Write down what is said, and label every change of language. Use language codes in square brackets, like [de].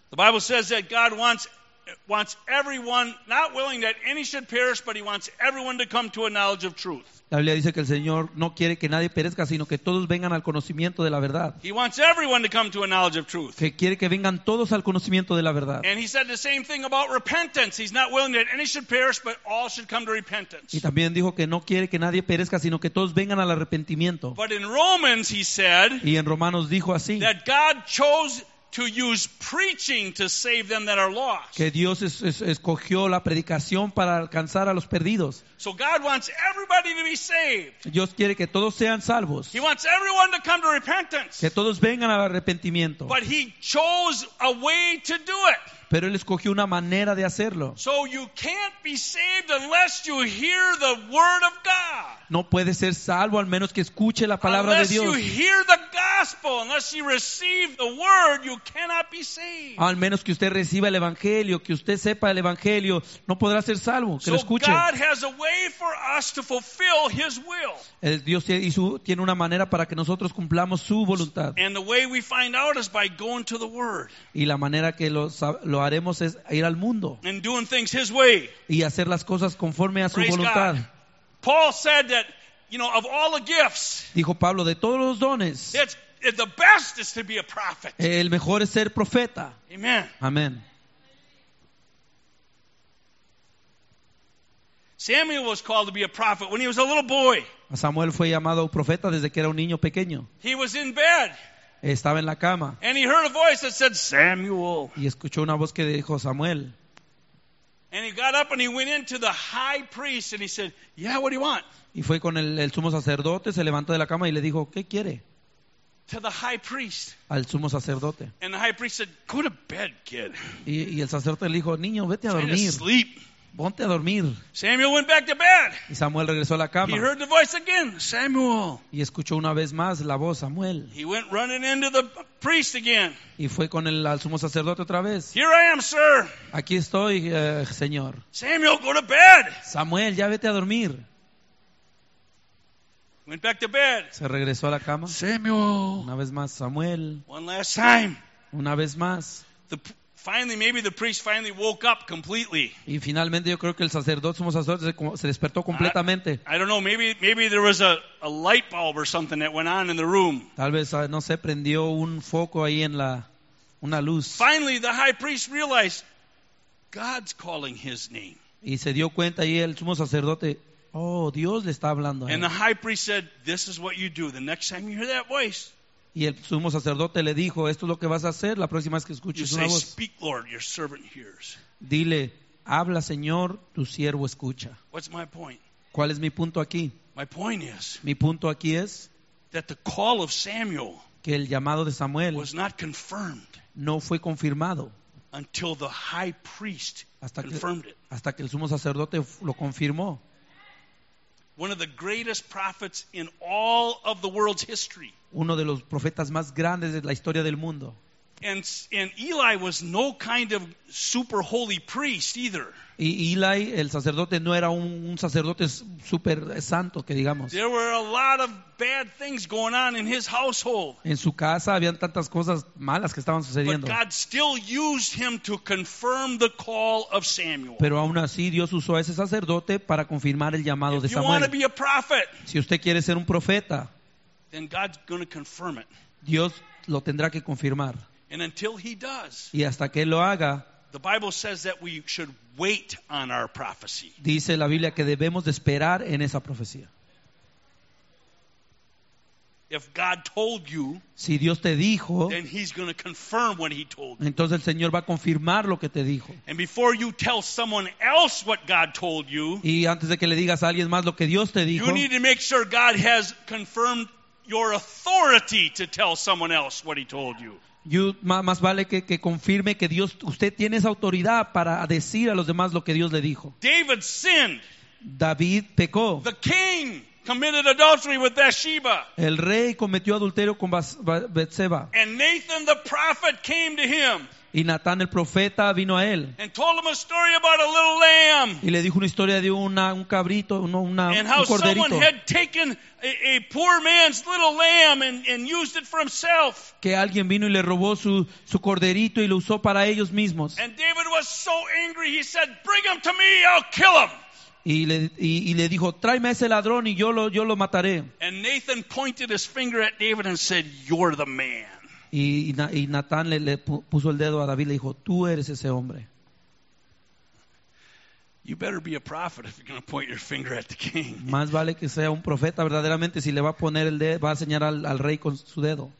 [en] The Bible says that God wants everyone, not willing that any should perish, but he wants everyone to come to a knowledge of truth. [es] La Biblia dice que el Señor no quiere que nadie perezca, sino que todos vengan al conocimiento de la verdad. [en] He wants everyone to come to a knowledge of truth. [es] Que quiere que vengan todos al conocimiento de la verdad. [en] And he said the same thing about repentance. He's not willing that any should perish, but all should come to repentance. [es] Y también dijo que no quiere que nadie perezca, sino que todos vengan al arrepentimiento. [en] But in Romans he said, [es] y en Romanos dijo así, [en] that God chose to use preaching to save them that are lost. [es] Que Dios escogió la predicación para alcanzar a los perdidos. [en] So God wants everybody to be saved. [es] Dios quiere que todos sean salvos. [en] He wants everyone to come to repentance. [es] Que todos vengan al arrepentimiento. [en] But he chose a way to do it. [es] Pero él escogió una manera de hacerlo. [en] So you can't be saved unless you hear the word of God. [es] No puede ser salvo al menos que escuche la palabra [en] unless [es] de Dios. [en] Unless you hear the gospel, unless you receive the word, you cannot be saved. [es] Al menos que usted reciba el evangelio, que usted sepa el evangelio, no podrá ser salvo, que [en] so [es] lo escuche. [en] God has a way for us to fulfill his will. [es] Dios tiene una manera para que nosotros cumplamos su voluntad. [en] And the way we find out is by going to the word. [es] Y la manera que lo haremos es ir al mundo. [en] And doing things his way. [es] Y hacer las cosas conforme a [en] praise [es] su voluntad. [en] God. Paul said that you know, of all the gifts, [es] dijo Pablo, de todos los dones, [en] the best is to be a prophet. [es] El mejor es ser profeta. [en] Amen. [es] Amen. [en] Samuel was called to be a prophet when he was a little boy. [es] Samuel fue llamado profeta desde que era un niño pequeño. [en] He was in bed. [es] Estaba en la cama. [en] And he heard a voice that said, Samuel. [es] Y escuchó una voz que dijo, Samuel. [en] And he got up and he went into the high priest and he said, yeah, what do you want? [es] Y fue con el sumo sacerdote, se levantó de la cama y le dijo, ¿qué quiere? [en] To the high priest. [es] Al sumo sacerdote. [en] And the high priest said, go to bed, kid. [es] Y el sacerdote le dijo, niño, vete a dormir. [en] Try to sleep. [es] Ponte a dormir. [en] Samuel went back to bed. [es] Y Samuel regresó a la cama. [en] He heard the voice again, Samuel. [es] Y escuchó una vez más la voz, Samuel. [en] He went running into the priest again. [es] Y fue con el al sumo sacerdote otra vez. [en] Here I am, sir. [es] Aquí estoy, señor. [en] Samuel, go to bed. [es] Samuel, ya vete a dormir. [en] Went back to bed. [es] Se regresó a la cama. [en] Samuel. [es] Una vez más, Samuel. [en] One last time. [es] Una vez más. [en] Finally, maybe the priest finally woke up completely. [es] Y finalmente, yo creo que el sacerdote, sumo sacerdote, se despertó completamente. [en] I don't know. Maybe there was a light bulb or something that went on in the room. [es] Tal vez no se prendió un foco ahí en la una luz. [en] Finally, the high priest realized God's calling his name. [es] Y se dio cuenta ahí el sumo sacerdote. Oh, Dios le está hablando. [en] And the high priest said, "This is what you do the next time you hear that voice." [es] Y el sumo sacerdote le dijo, esto es lo que vas a hacer la próxima vez que escuches una voz. [en] Speak, Lord, your servant hears. [es] Dile, habla Señor, tu siervo escucha. [en] What's my point? [es] ¿Cuál es mi punto aquí? [en] My point is, [es] mi punto aquí es [en] that the call of Samuel [es] que el llamado de Samuel [en] was not confirmed [es] no fue confirmado [en] until the high priest [es] hasta que, [en] confirmed it. [es] Hasta que el sumo sacerdote lo confirmó. [en] One of the greatest prophets in all of the world's history. [es] Uno de los profetas más grandes de la historia del mundo. [en] And Eli was no kind of super holy priest either. [es] Y Eli, el sacerdote, no era un sacerdote super santo, que digamos. [en] There were a lot of bad things going on in his household. [es] En su casa habían tantas cosas malas que estaban sucediendo. [en] But God still used him to confirm the call of Samuel. [es] Pero aún así Dios usó a ese sacerdote para confirmar el llamado [en] if [es] de Samuel. [en] You want to be a prophet, [es] si usted quiere ser un profeta, [en] then God's going to confirm it. [es] Dios lo tendrá que confirmar. [en] And until he does, [es] y hasta que lo haga, [en] the Bible says that we should wait on our prophecy. [es] Dice la Biblia que debemos de esperar en esa profecía. [en] If God told you, [es] si Dios te dijo, [en] then he's going to confirm what he told you. [es] Entonces el Señor va a confirmar lo que te dijo. [en] And before you tell someone else what God told you, [es] y antes de que le digas a alguien más lo que Dios te dijo, [en] you need to make sure God has confirmed your authority to tell someone else what he told you. [es] Más vale que confirme que Dios, usted tiene esa autoridad para decir a los demás lo que Dios le dijo. [en] David sinned. [es] David pecó. [en] The king committed adultery with Bathsheba. [es] El rey cometió adulterio con Bathsheba. [en] And Nathan the prophet came to him. [es] Y Natán el profeta vino a él. [en] And told him a story about a little lamb. [es] Y le dijo una historia de un cabrito, un corderito. [en] And how someone had taken a poor man's little lamb and used it for himself. [es] Que alguien vino y le robó su corderito y lo usó para ellos mismos. [en] And David was so angry, he said, "Bring him to me, I'll kill him." [es] Y le dijo, tráeme a ese ladrón y yo lo mataré. [en] And Nathan pointed his finger at David and said, "You're the man." [es] Y Natán le puso el dedo a David y le dijo, tú eres ese hombre. [en] You better be a prophet if you're going to point your finger at the king. [es] Más vale que sea un profeta verdaderamente si le va a poner el dedo, va a señalar al rey con su dedo.